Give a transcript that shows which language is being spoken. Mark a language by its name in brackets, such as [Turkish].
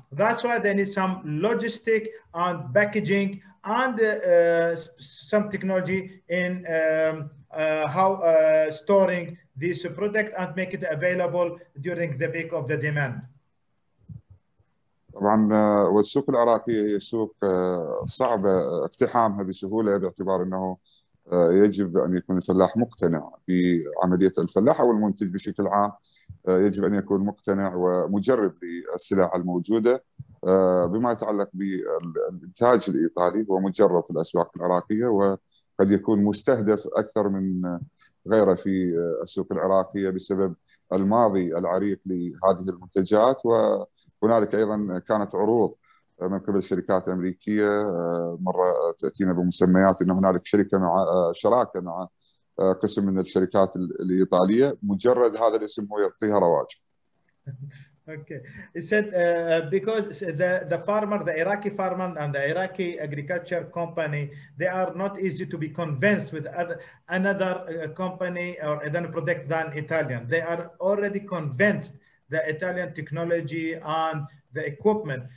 [English] That's why they need some logistic and packaging and some technology in storing this product and make it available during the peak of the demand. [Arabic] طبعا والسوق العراقي سوق صعب اقتحامها بسهولة باعتبار انه يجب أن يكون الفلاح مقتنع بعملية الفلاح أو المنتج بشكل عام، يجب أن يكون مقتنع ومجرب للسلع الموجودة بما يتعلق بالإنتاج الإيطالي، هو مجرب في الأسواق العراقية وقد يكون مستهدف أكثر من غيره في السوق العراقية بسبب الماضي العريق لهذه المنتجات، وهنالك أيضا كانت عروض من قبل شركات أمريكية مرة تأتينا بمسميات أن هناك شركة مع شراكة مع قسم من الشركات الإيطالية، مجرد هذا الاسم هو يعطيها رواج. [English] Okay, he said because the farmer, the Iraqi farmer and the Iraqi agriculture company, they are not easy to be convinced with another company or another product than Italian. They are already convinced the Italian technology and the equipment.